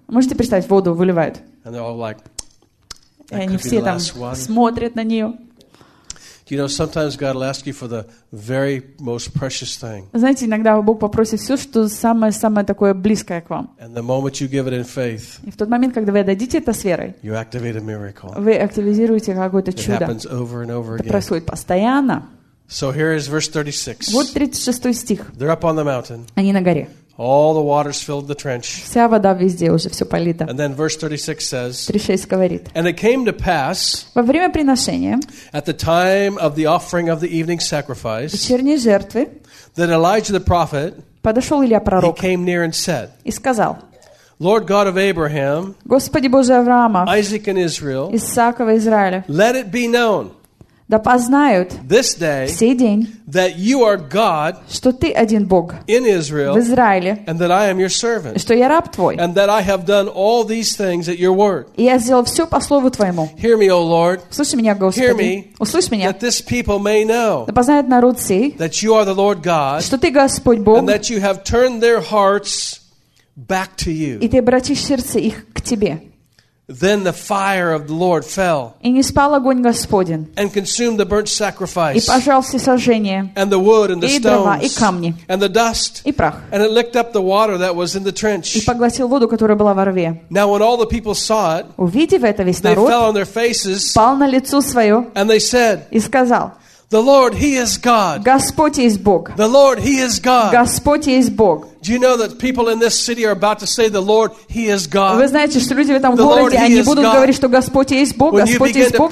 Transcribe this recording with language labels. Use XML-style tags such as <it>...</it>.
<ru>Можете представить, воду выливают.</ru> <en>And they're all like,</en> <ru>и они все там смотрят на нее.</ru> <en>Do You know, sometimes God will ask you for the very most precious thing.</en> <ru>Знаете, иногда Бог попросит все, что самое-самое такое близкое к вам.</ru> <en>And the moment you give it in faith.</en> <ru>И в тот момент, когда вы отдадите это с верой.</ru> <en>You activate a miracle.</en> <ru>Вы активизируете какое-то чудо.</ru> <en>It happens over and over again.</en> <ru>Это происходит постоянно.</ru> <en>So here is verse 36.</en> <ru>Вот 36 стих.</ru> <en>They're up on the mountain.</en> <ru>Они на горе.</ru> <en>All the waters filled the trench.</en> <ru>Вся вода везде уже все полита.</ru> <en>And then verse 36 says.</en> <ru>36 говорит.</ru> <en>And it came to pass.</en> <ru>Во время приношения.</ru> <en>At the time of the offering of the evening sacrifice.</en> <ru>Вечерней жертвы.</ru> <en>That Elijah the prophet.</en> <ru>Подошел Илия пророк.</ru> <en>He came near and said.</en> <ru>И сказал.</ru> <en>Lord God of Abraham.</en> <ru>Господи Божий Авраама.</ru> <en>Isaac and Israel.</en> <ru>Исаакова Израиля.</ru> <en>Let it be known.</en> <ru>Да познают</ru> <en>this day,</en> <ru>сей день,</ru> <en>that you are God,</en> <ru>что ты один Бог</ru> <en>in Israel,</en> <ru>в Израиле,</ru> <en>and that I am your servant,</en> <ru>что я раб твой,</ru> <en>and that I have done all these things at your word.</en> <ru>И я сделал все по слову твоему.</ru> <en>Hear me, O Lord.</en> <ru>Услышь меня, Господи.</ru> <en>Hear me,</en> <ru>услышь меня.</ru> <en>That this people may know,</en> <ru>да познают народ сей,</ru> <en>that you are the Lord God,</en> <ru>что ты Господь Бог,</ru> <en>and that you have turned their hearts back to you.</en> <ru>И ты обратишь сердце их к тебе.</ru> <en>Then the fire of the Lord fell.</en> <ru>И не спал огонь Господень.</ru> <en>And consumed the burnt sacrifice.</en> <ru>И пожрал все сожжение.</ru> <en>And the wood and the stones.</en> <ru>И дрова, и камни.</ru> <en>And the dust.</en> <ru>И прах.</ru> <en>And it licked up the water that was in the trench.</en> <ru>И поглотил воду, которая была во рве.</ru> <en>Now when all the people saw it.</en> <ru>Увидев это весь народ.</ru> <en>They fell on their faces.</en> <ru>Пал на лицо свое.</ru> <en>And they said.</en> <ru>И сказал.</ru> <en>The Lord, He is God.</en> <ru>Господь есть Бог.</ru> <en>The Lord, He is God.</en> <ru>Господь есть Бог.</ru> <en>Do you know that people in this city are about to say, "The Lord, He is God."</en> <ru>Вы знаете, что люди в этом городе, они будут говорить, что Господь есть Бог, Господь есть Бог.</ru>